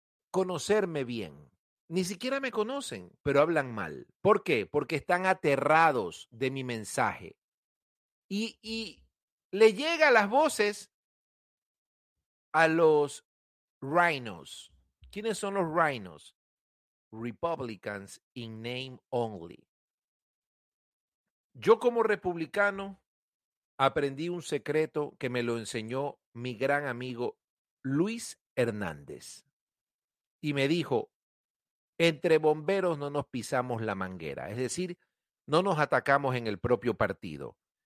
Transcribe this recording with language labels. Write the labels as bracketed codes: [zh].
[es] conocerme bien. Ni siquiera me conocen, pero hablan mal. ¿Por qué? Porque están aterrados de mi mensaje. Y le llega las voces a los rhinos. ¿Quiénes son los rhinos? [en] Republicans in name only. [es] Yo como republicano aprendí un secreto que me lo enseñó mi gran amigo Luis Hernández. Y me dijo, entre bomberos no nos pisamos la manguera. Es decir, no nos atacamos en el propio partido.